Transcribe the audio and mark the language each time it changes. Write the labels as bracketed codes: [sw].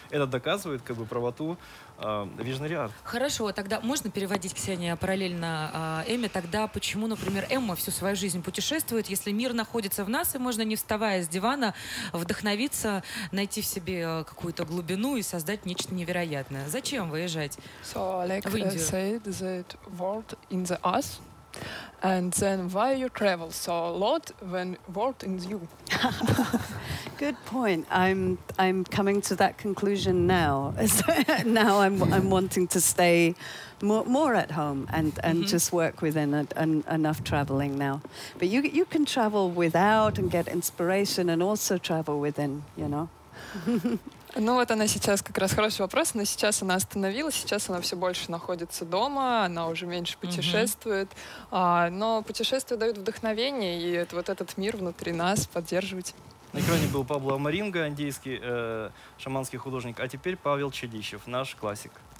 [ru] Это доказывает, как бы, правоту visionary art. Хорошо, тогда можно переводить, Ксения, параллельно Эмме? Тогда почему, например, Эмма всю свою жизнь путешествует, если мир находится в нас, и можно, не вставая с дивана, вдохновиться, найти в себе какую-то глубину и создать нечто невероятное? Зачем выезжать в Индию? [en] So, like I said, the world in the us, and then why you travel so a lot when world in you? Good point. I'm coming to that conclusion now. Now I'm wanting to stay more at home and mm-hmm. just work within it, and enough traveling now. But you can travel without and get inspiration and also travel within, you know. [ru] Ну вот она сейчас как раз хороший вопрос. Но сейчас она остановилась, сейчас она все больше находится дома, она уже меньше путешествует. Mm-hmm. Но путешествия дают вдохновение, и это вот этот мир внутри нас поддерживать. На экране был Пабло Маринго, индийский шаманский художник, а теперь Павел Чедищев, наш классик.